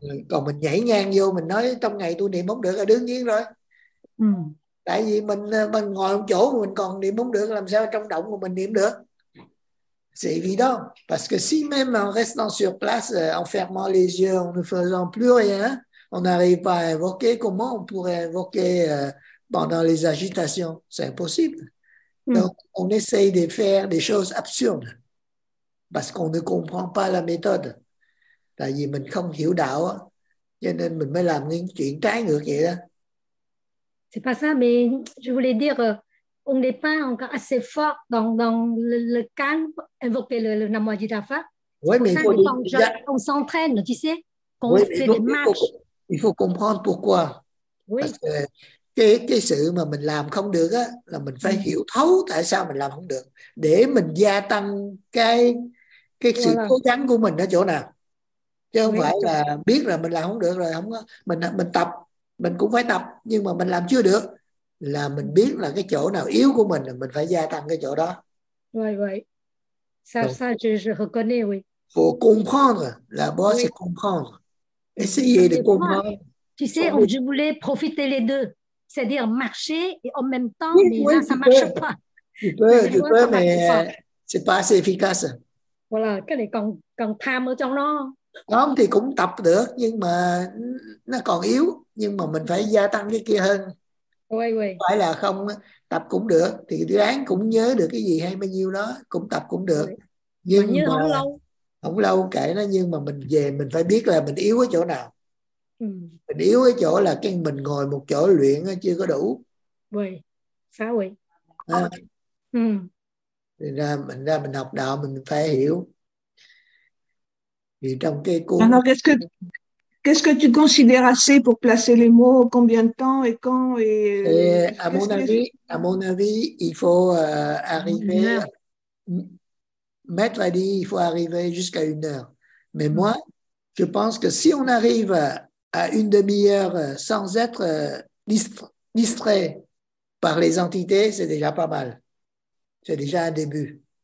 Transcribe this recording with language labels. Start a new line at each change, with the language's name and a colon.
Vietnamese: Còn mình nhảy ngang vô mình nói trong ngày tôi niệm không được là đương nhiên rồi. Tại vì mình ngồi một chỗ mà mình còn niệm không được, làm sao trong động mà mình niệm được?
French: C'est évident, parce que si même en restant sur place, en fermant les yeux, en ne faisant plus rien, on n'arrive pas à invoquer, comment on pourrait invoquer pendant les agitations? C'est impossible. Donc, on essaye de faire des choses absurdes, parce qu'on ne comprend pas la méthode.
Vietnamese: Tại vì mình không hiểu đạo, cho nên mình mới làm những chuyện trái ngược vậy đó.
French: C'est pas ça, mais je voulais dire, on n'est pas encore assez fort dans le calme invoqué le Namo Amida Phat. Oui, mais on s'entraîne, tu sais, qu'on oui, fait donc, des matchs. Il faut comprendre pourquoi. Oui. Parce que
Vietnamese: cái sự mà mình làm không được á, là mình phải hiểu thấu tại sao mình làm không được, để mình gia tăng cái sự cố gắng của mình ở chỗ nào. Chứ không phải là biết là mình làm không được rồi, không có, mình tập. Mình cũng phải tập, nhưng mà mình làm chưa được. Là mình biết là cái chỗ nào yếu của mình, mình phải gia tăng cái chỗ đó.
French: Oui, oui. Ça, je reconnais, oui. Faut comprendre. Là-bas, c'est comprendre. Essayez de comprendre. Tu sais, je voulais profiter les deux. C'est-à-dire marcher et en même temps, mais là, ça ne marche pas. Tu peux, mais c'est pas assez efficace.
Vietnamese: Voilà, cái này còn tham ở trong nó. Không thì cũng tập được, nhưng mà nó còn yếu. Nhưng mà mình phải gia tăng cái kia hơn. Phải là không tập cũng được. Thì ráng cũng nhớ được cái gì hay bao nhiêu đó. Cũng tập cũng được. Nhưng như mà không lâu. Không lâu kể nó. Nhưng mà mình về mình phải biết là mình yếu ở chỗ nào. Mình yếu ở chỗ là cái mình ngồi một chỗ luyện chưa có đủ. Thì mình học đạo mình phải hiểu. Thì trong cái cuốn...
French: Qu'est-ce que tu considères assez pour placer les mots, combien de temps et quand et à mon avis, il faut arriver... Maître a dit qu'il faut arriver jusqu'à une heure. Mais moi, je pense que si on arrive à une demi-heure sans être distrait par les entités, c'est déjà pas mal. C'est déjà un début.